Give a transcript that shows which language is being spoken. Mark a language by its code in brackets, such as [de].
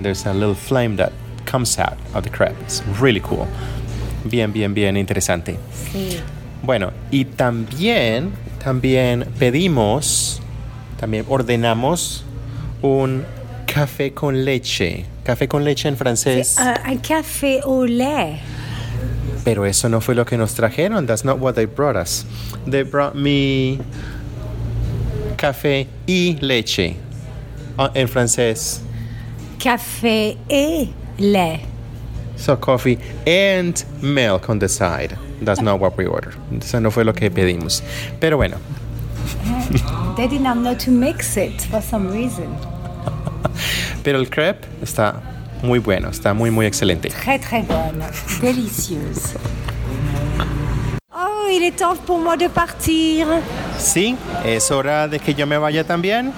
[en] There's a little flame that comes out of the crepe. It's really cool. [es] Bien, bien, bien, interesante. Sí. Bueno, y también pedimos, también ordenamos un café con leche. Café con leche en francés. [fr] Un café au lait. [es] Pero eso no fue lo que nos trajeron. [en] That's not what they brought us. They brought me [es] café y leche. En francés. [fr] Café et lait. [en] So coffee and milk on the side. That's not what we ordered. [es] Eso no fue lo que pedimos. Pero bueno. [en] They did not know to mix it for some reason. [es] Pero el crepe está muy bueno. Está muy, muy excelente. [fr] Très, très [es] bueno. Delicioso. [fr] Oh, il est temps pour moi de partir. [es] Sí, es hora de que yo me vaya también.